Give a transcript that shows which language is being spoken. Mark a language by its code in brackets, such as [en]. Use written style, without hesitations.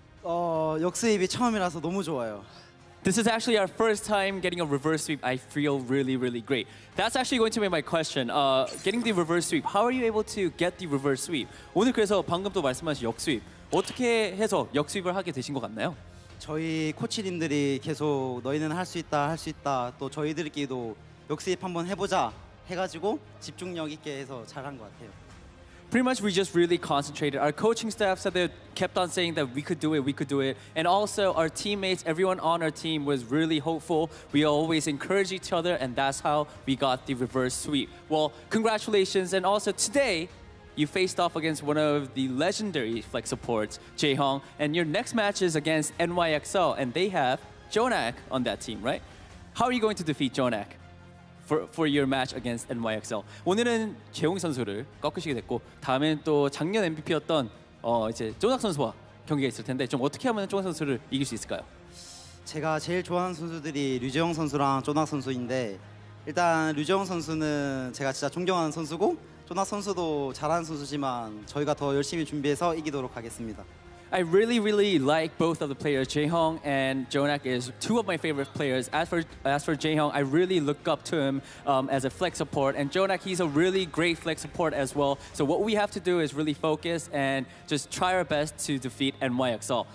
[ko] 역습이 처음이라서 너무 좋아요. [en] This is actually our first time getting a reverse sweep. I feel really, really great. That's actually going to be my question. Getting the reverse sweep, how are you able to get the reverse sweep? [ko] 오늘 그래서 방금 또 말씀하신 역습. 어떻게 해서 역습을 하게 되신 것 같나요? 저희 코치님들이 계속 너희는 할 수 있다, 할 수 있다. 또 저희들끼리도 역습 한번 해보자 해가지고 집중력 있게 해서 잘한 것 같아요. [en] Pretty much we just really concentrated. Our coaching staff said they kept on saying that we could do it, we could do it. And also our teammates, everyone on our team was really hopeful. We always encourage each other, and that's how we got the reverse sweep. Well, congratulations. And also today, you faced off against one of the legendary flex supports, Jayhong. And your next match is against NYXL, and they have Jonak on that team, right? How are you going to defeat Jonak? For your match against NYXL. [ko] 오늘은 재홍 선수를 꺾으시게 됐고 다음엔 또 작년 MVP였던 이제 조낙 선수와 경기가 있을 텐데 좀 어떻게 하면 조낙 선수를 이길 수 있을까요? 제가 제일 좋아하는 선수들이 류재영 선수랑 조낙 선수인데 일단 류재영 선수는 제가 진짜 존경하는 선수고 조낙 선수도 잘하는 선수지만 저희가 더 열심히 준비해서 이기도록 하겠습니다. [en] I really, really like both of the players. Jayhong and Jonak is two of my favorite players. As for Jayhong, I really look up to him as a flex support. And Jonak, he's a really great flex support as well. So what we have to do is really focus and just try our best to defeat NYXL.